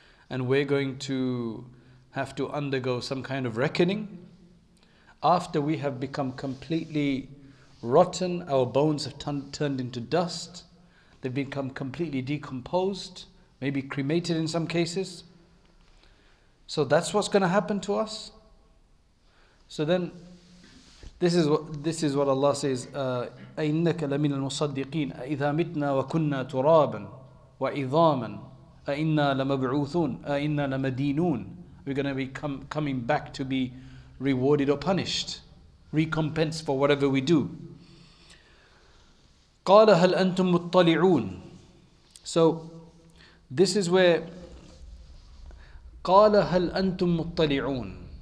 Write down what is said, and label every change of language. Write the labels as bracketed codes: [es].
[en] And we're going to have to undergo some kind of reckoning after we have become completely rotten, our bones have turned into dust, they've become completely decomposed, maybe cremated in some cases. So that's what's going to happen to us. So then, this is what Allah says, [ar] أَإِنَّكَ لَمِنَ الْمُصَدِّقِينَ أَإِذَا مِتْنَا وَكُنَّا تُرَابًا وَإِظَامًا أَإِنَّا لَمَبْعُوثُونَ أَإِنَّا لَمَدِينُونَ. [en] We're going to be coming back to be rewarded or punished, recompensed for whatever we do. [ar] قَالَ هَلْ أَنْتُمْ مُطَّلِعُونَ. [en] So this is where [ar] قَالَ هَلْ أَنْتُمْ مُطَّلِعُونَ.